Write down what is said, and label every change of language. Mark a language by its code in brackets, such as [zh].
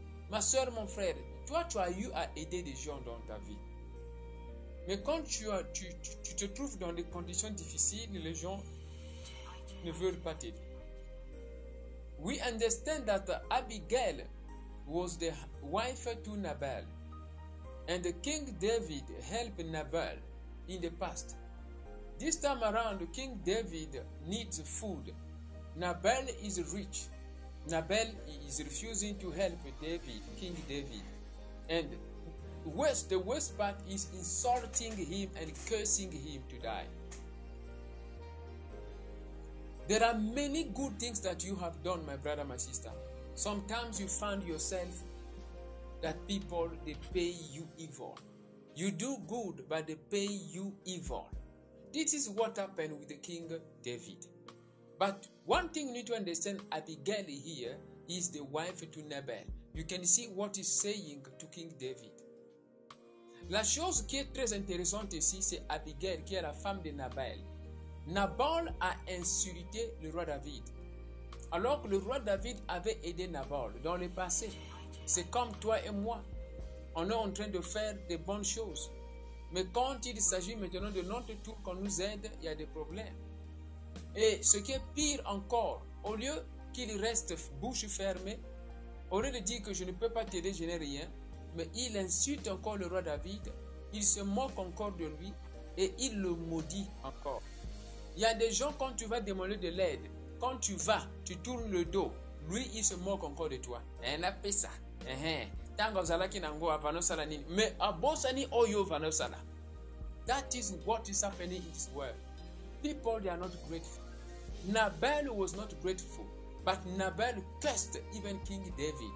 [fr] Ma soeur, mon frère, toi, tu as eu à aider des gens dans ta vie. Mais quand tu te trouves dans des conditions difficiles, les gens ne veulent pas t'aider. [en] We understand that Abigail was the wife to Nabal. And King David helped Nabal in the past. This time around, King David needs food. Nabal is rich. Nabal is refusing to help David, King David. And the worst part is insulting him and cursing him to die. There are many good things that you have done, my brother, my sister. Sometimes you find yourself that people, they pay you evil. You do good, but they pay you evil. This is what happened with the King David. But one thing you need to understand, Abigail here is the wife to Nabal. You can see what he's saying to King David. [fr] La chose qui est très intéressante ici, c'est Abigail, qui est la femme de Nabal. Nabal a insulté le roi David. Alors que le roi David avait aidé Nabal dans le passé. C'est comme toi et moi. On est en train de faire de bonnes choses. Mais quand il s'agit maintenant de notre tour qu'on nous aide, il y a des problèmes. Et ce qui est pire encore, au lieu qu'il reste bouche fermée, au lieu de dire que je ne peux pas t'aider, je n'ai rien, mais il insulte encore le roi David, il se moque encore de lui et il le maudit encore. Il y a des gens, quand tu vas demander de l'aide, quand tu vas, tu tournes le dos, lui, il se moque encore de toi. Il a fait ça. [en] That is what is happening in this world. People, they are not grateful. Nabal was not grateful, but Nabal cursed even King David.